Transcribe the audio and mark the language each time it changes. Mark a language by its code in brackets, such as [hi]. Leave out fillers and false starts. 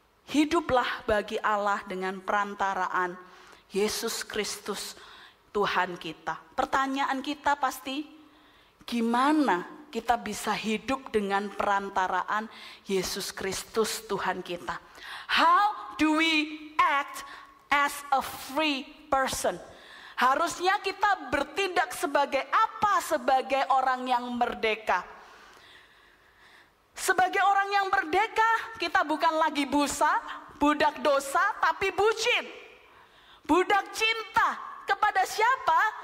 [id] Hiduplah bagi Allah dengan perantaraan Yesus Kristus Tuhan kita. Pertanyaan kita pasti, gimana kita bisa hidup dengan perantaraan Yesus Kristus Tuhan kita? [en] How do we act as a free person? [id] Harusnya kita bertindak sebagai apa? Sebagai orang yang merdeka. Sebagai orang yang merdeka, kita bukan lagi busa, budak dosa tapi bucin. Budak cinta kepada siapa?